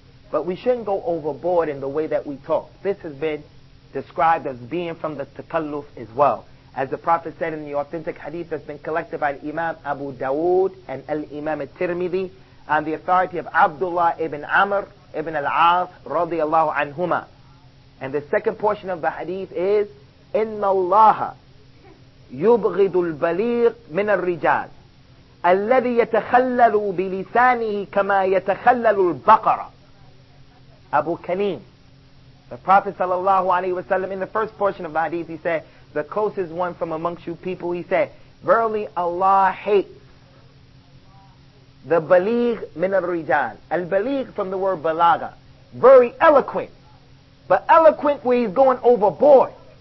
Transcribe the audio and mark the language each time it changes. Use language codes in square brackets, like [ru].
[en] But we shouldn't go overboard in the way that we talk. This has been described as being from the takalluf as well. As the Prophet said in the authentic hadith that's been collected by Imam Abu Dawood and Al-Imam Al-Tirmidhi on the authority of Abdullah ibn Amr ibn Al-As radiallahu anhuma. And the second portion of the hadith is, [ar] إِنَّ اللَّهَ يُبْغِضُ الْبَلِيغَ مِنَ الرِّجَالِ الَّذِي يَتَخَلَّلُ بِلِسَانِهِ كَمَا يَتَخَلَّلُ الْبَقَرَ. [en] Abu Kaleem, the Prophet sallallahu alayhi wa sallam, in the first portion of the hadith, he said, the closest one from amongst you people, he said, verily Allah hates the baligh min al-rijal. Al-baligh from the word balaga, very eloquent, but eloquent where he's going overboard.